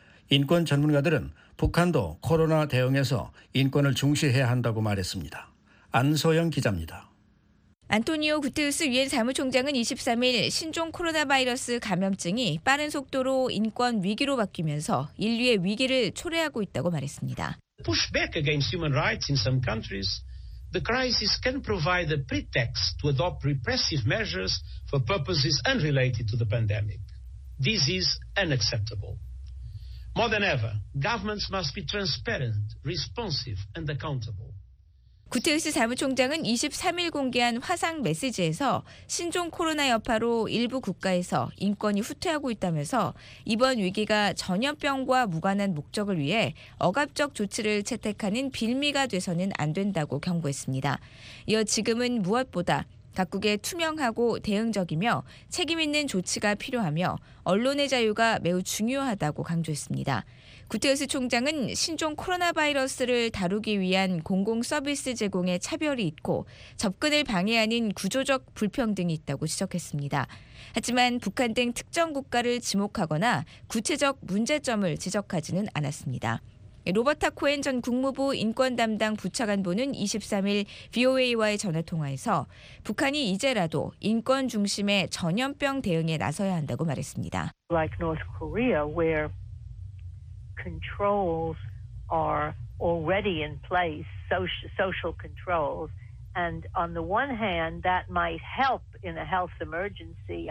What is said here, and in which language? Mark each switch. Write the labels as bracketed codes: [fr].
[ko] 인권 전문가들은 북한도 코로나 대응에서 인권을 중시해야 한다고 말했습니다. 안소영 기자입니다. 안토니오 구테우스 유엔 사무총장은 23일 신종 코로나 바이러스 감염증이 빠른 속도로 인권 위기로 바뀌면서 인류의 위기를 초래하고 있다고 말했습니다. [en] Push back against human rights in some countries. The crisis can provide a pretext to adopt repressive measures for purposes unrelated to the pandemic. This is unacceptable. More than ever, governments must be transparent, responsive, and accountable. [ko] 구테우스 사무총장은 23일 공개한 화상 메시지에서 신종 코로나 여파로 일부 국가에서 인권이 후퇴하고 있다면서 이번 위기가 전염병과 무관한 목적을 위해 억압적 조치를 채택하는 빌미가 돼서는 안 된다고 경고했습니다. 이어 지금은 무엇보다 각국의 투명하고 대응적이며 책임 있는 조치가 필요하며 언론의 자유가 매우 중요하다고 강조했습니다. 구테우스 총장은 신종 코로나 바이러스를 다루기 위한 공공서비스 제공에 차별이 있고 접근을 방해하는 구조적 불평등이 있다고 지적했습니다. 하지만 북한 등 특정 국가를 지목하거나 구체적 문제점을 지적하지는 않았습니다. 로버타 코엔 전 국무부 인권담당 부차관보는 23일 VOA와의 전화통화에서 북한이 이제라도 인권 중심의 전염병 대응에 나서야 한다고 말했습니다. [en] Like North Korea, where controls are already in place, social controls, and on the one hand, that might help in a health emergency.